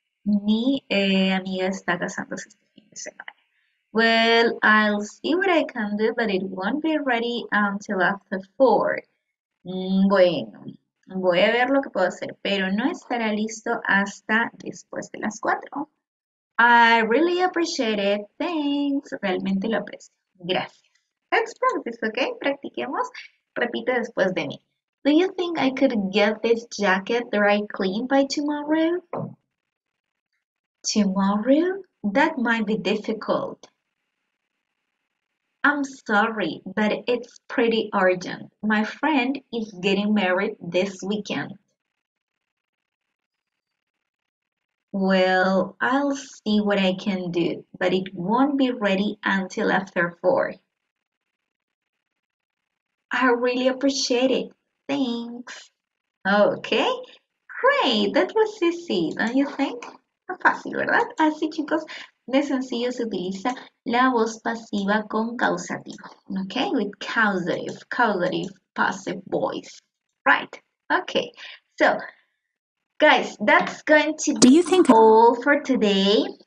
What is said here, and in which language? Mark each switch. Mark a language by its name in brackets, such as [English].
[Spanish] Mi amiga está casándose este fin de semana. [English] Well, I'll see what I can do, but it won't be ready until after four. [Spanish] Bueno, voy a ver lo que puedo hacer, pero no estará listo hasta después de las 4. [English] I really appreciate it. Thanks. [Spanish] Realmente lo aprecio. Gracias. [English] Let's practice, [Spanish] ¿ok? Practiquemos. Repite después de mí. [English] Do you think I could get this jacket dry clean by tomorrow? Tomorrow? That might be difficult. I'm sorry, but it's pretty urgent. My friend is getting married this weekend. Well, I'll see what I can do, but it won't be ready until after four. I really appreciate it. Thanks. Okay, great. That was easy, don't you think? [Spanish] Fácil, ¿verdad? Así, chicos. De sencillo se utiliza la voz pasiva con causativo, ¿ok? [English] With causative, passive voice, right? Ok, so, guys, that's going to be all for today.